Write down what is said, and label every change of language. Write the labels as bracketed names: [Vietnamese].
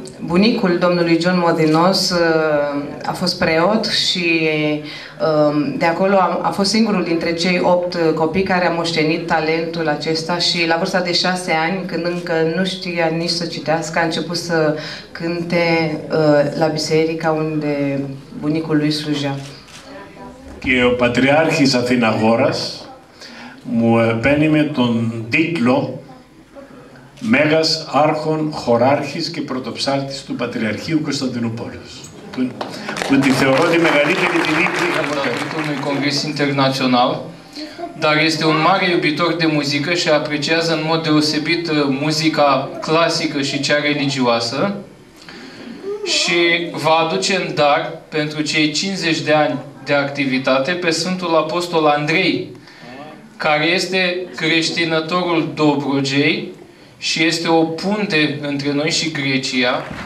[Romanian] Bunicul domnului John Modinos a fost preot și de acolo a fost singurul dintre cei 8 copii care a moștenit talentul acesta și la vârsta de 6 ani, când încă nu știa nici să citească, a început să cânte la biserica unde bunicul lui slujea. [Greek] Και ο Πατριάρχης Αθηναγόρας μου επένιμε τον τίτλο Μέγας Άρχων Χωράρχης και Πρωτοψάλτης του Πατριαρχείου Κωνσταντινούπολης. Που τη θεωρώ τη μεγαλύτερη τιμή που είχα ποτέ. Είναι ο Κογκρίς Ιντερνατσιονάλ, [Romanian] dar este un mare iubitor de muzică și apreciază în mod deosebit muzica clasică și cea religioasă și va aduce în dar pentru cei 50 de ani de activitate pe Sfântul Apostol Andrei, care este creștinătorul Dobrogei și este o punte între noi și Grecia.